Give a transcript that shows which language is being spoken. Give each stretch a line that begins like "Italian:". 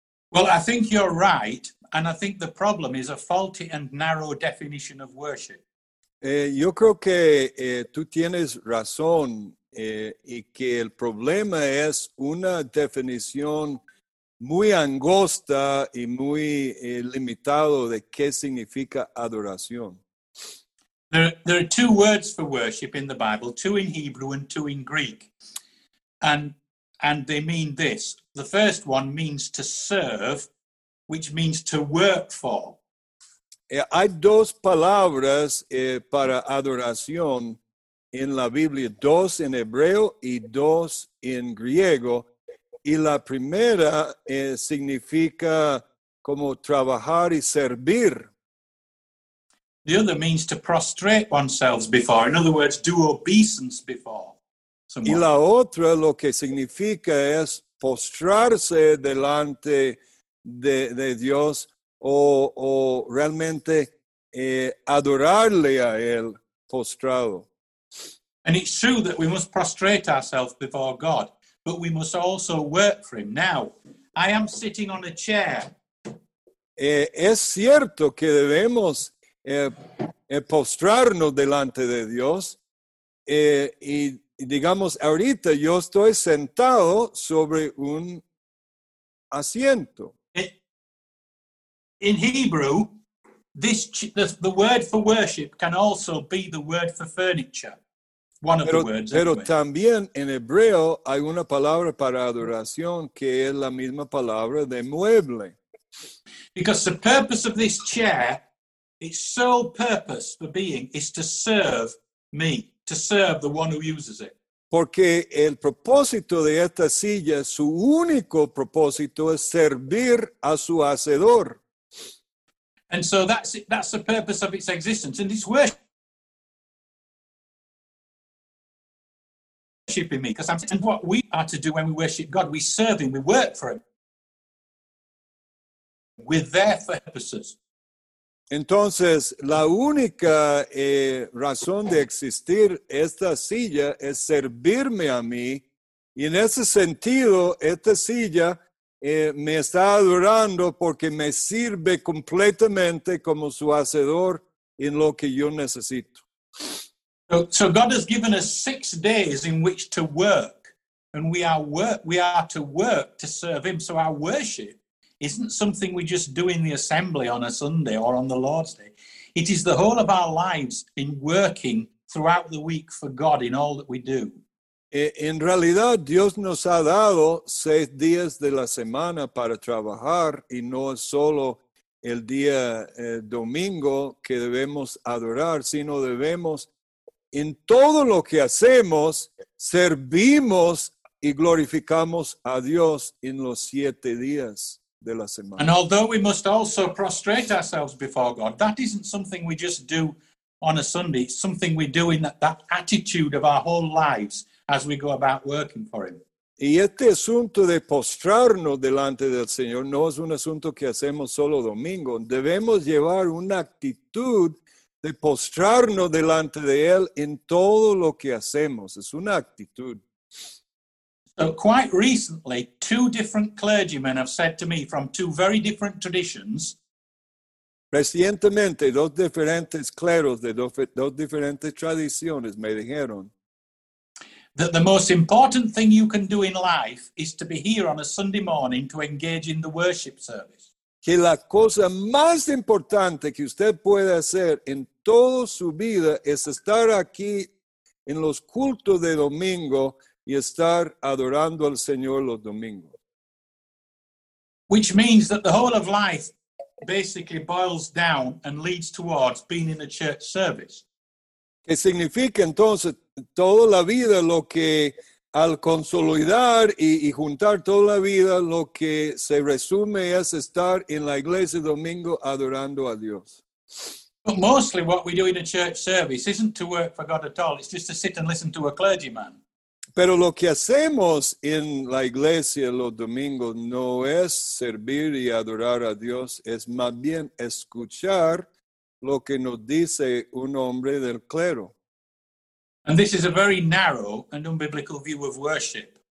English: Well, I think you're right, and I think the problem is a faulty and narrow definition of worship.
Spanish: Yo creo que tú tienes razón, y que el problema es una definición muy angosta y muy limitado de qué significa adoración.
English: There are two words for worship in the Bible, two in Hebrew and two in Greek, and they mean this. The first one means to serve, which means to work for.
Spanish: Hay dos palabras para adoración en la Biblia, dos en hebreo y dos en griego. Y la primera significa como trabajar y servir.
English: The other means to prostrate oneself before. In other words, do obeisance before.
Spanish: Y la otra lo que significa es postrarse delante de Dios o realmente adorarle a él postrado.
English: And it's true that we must prostrate ourselves before God, but we must also work for him. Now, I am sitting on a chair.
Spanish: Es cierto que debemos postrarnos delante de Dios y digamos, ahorita yo estoy sentado sobre un asiento.
English: In Hebrew, the word for worship can also be the word for furniture.
Spanish: Pero también en hebreo hay una palabra para adoración que es la misma palabra de mueble.
English: Because the purpose of this chair, its sole purpose for being, is to serve me, to serve the one who uses it. Porque el propósito de esta silla, su único propósito es servir a su hacedor. And so that's the purpose of its existence. And it's worshiping me. Because I'm saying what we are to do when we worship God. We serve him. We work for him. With their purposes.
Spanish: Entonces, la única razón de existir esta silla es servirme a mí. Y en ese sentido, esta silla me está adorando porque me sirve completamente como su hacedor en lo que yo necesito.
English: So God has given us 6 days in which to work, and we are to work to serve Him. So our worship isn't something we just do in the assembly on a Sunday or on the Lord's Day. It is the whole of our lives in working throughout the week for God in all that we do.
Spanish: En realidad, Dios nos ha dado 6 días de la semana para trabajar, y no es solo el día domingo que debemos adorar, sino debemos, en todo lo que hacemos, servimos y glorificamos a Dios en los 7 días de la semana.
English: And although we must also prostrate ourselves before God, that isn't something we just do on a Sunday. It's something we do in that attitude of our whole lives as we go about working for Him.
Spanish: Y este asunto de postrarnos delante del Señor no es un asunto que hacemos solo domingo. Debemos llevar una actitud de postrarnos delante de Él en todo lo que hacemos. Es una actitud.
English: So quite recently, 2 different clergymen have said to me from 2 very different traditions.
Spanish: Recientemente, 2 diferentes cleros de 2 diferentes tradiciones me dijeron.
English: That the most important thing you can do in life is to be here on a Sunday morning to engage in the worship service.
Spanish: Que la cosa más importante que usted puede hacer en toda su vida es estar aquí en los cultos de domingo y estar adorando al Señor los domingos.
English: Which means that the whole of life basically boils down and leads towards being in a church service.
Spanish: ¿Qué significa entonces? Toda la vida lo que al consolidar y juntar toda la vida lo que se resume es estar en la iglesia domingo adorando a Dios.
English: But mostly what we do in a church service isn't to work for God at all. It's just to sit and listen to a clergyman.
Spanish: Pero lo que hacemos en la iglesia los domingos no es servir y adorar a Dios. Es más bien escuchar lo que nos dice un hombre del clero.
English: And this is a very narrow and unbiblical view of worship.